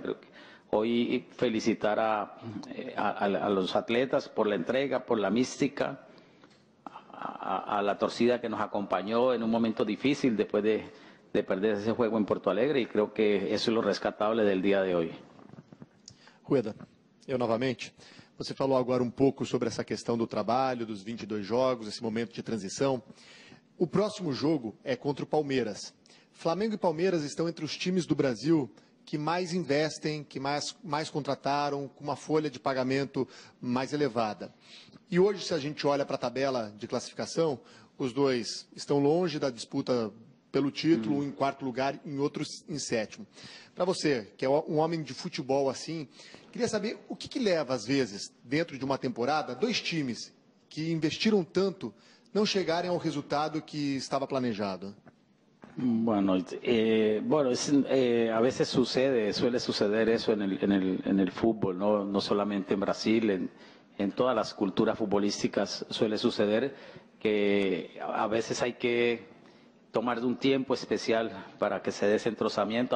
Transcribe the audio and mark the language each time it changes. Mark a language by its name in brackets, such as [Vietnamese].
[Spanish] Creo que hoy felicitar a los atletas por la entrega, por la mística, a la torcida que nos acompañó en un momento difícil después de perder ese juego en Porto Alegre, y creo que eso es lo rescatable del día de hoy. Rueda, yo nuevamente. [Portuguese] Você falou agora um pouco sobre essa questão do trabalho, dos 22 jogos, esse momento de transição. O próximo jogo é contra o Palmeiras. Flamengo e Palmeiras estão entre os times do Brasil que mais investem, que mais contrataram, com uma folha de pagamento mais elevada. E hoje, se a gente olha para a tabela de classificação, os dois estão longe da disputa pelo título, em quarto lugar, em outros em sétimo. Para você, que é um homem de futebol assim, queria saber o que leva, às vezes, dentro de uma temporada, dois times que investiram tanto não chegarem ao resultado que estava planejado. [Spanish] Bueno, a veces sucede, suele suceder eso en el fútbol, ¿no? No solamente en Brasil, en todas las culturas futbolísticas suele suceder que a veces hay que tomar de un tiempo especial para que se dé ese entrosamiento.